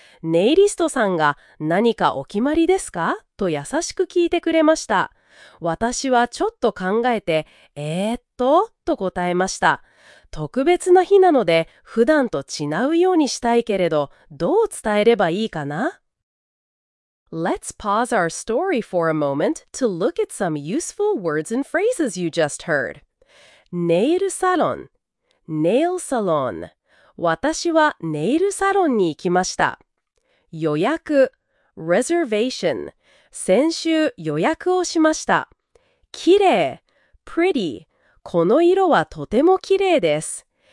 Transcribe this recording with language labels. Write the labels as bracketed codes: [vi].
[ja] ネイリストさんが何かお決まりですか？と優しく聞いてくれました。私はちょっと考えて、と答えました。特別な日なので普段と違うようにしたいけれど、どう伝えればいいかな？ [en] Let's pause our story for a moment to look at some useful words and phrases you just heard. [ja] ネイルサロン、ネイルサロン。私はネイルサロンに行きました。予約、 [en] reservation。 [ja] 先週予約をしました。綺麗、 [en] pretty。 [ja] この色はとても綺麗です。